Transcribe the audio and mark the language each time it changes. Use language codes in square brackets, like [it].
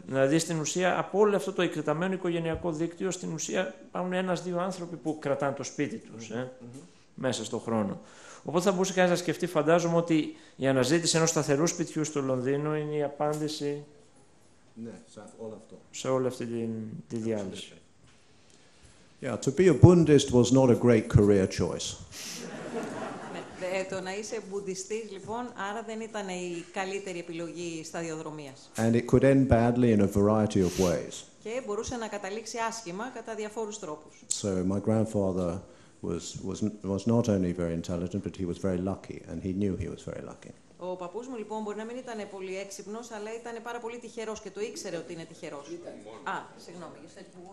[el] Δηλαδή, στην ουσία, από όλο αυτό το εκτεταμένο οικογενειακό δίκτυο, στην ουσία υπάρχουν ένας-δύο άνθρωποι που κρατάνε το σπίτι τους μέσα στον χρόνο. Οπότε θα μπορούσε κανείς να σκεφτεί, φαντάζομαι, ότι η αναζήτηση ενός σταθερού σπιτιού στο Λονδίνο είναι η απάντηση σε όλη αυτή τη διάλυση. [en] Yeah, to be a Bundist was not a great career choice. [el] Το να είσαι μπουδιστής, λοιπόν, άρα δεν ήταν η καλύτερη επιλογή σταδιοδρομίας. [en] And it could end badly in a variety of ways. [el] Και μπορούσε να καταλήξει άσχημα κατά διαφόρους τρόπους. [en] So my grandfather was not only very intelligent, but he was very lucky, and he knew he was very lucky. [el] Ο παππούς μου, λοιπόν, μπορεί να μην ήταν πολύ έξυπνος, αλλά ήταν πάρα πολύ τυχερός και το ήξερε ότι είναι τυχερός. Α, συγγνώμη, [en] you said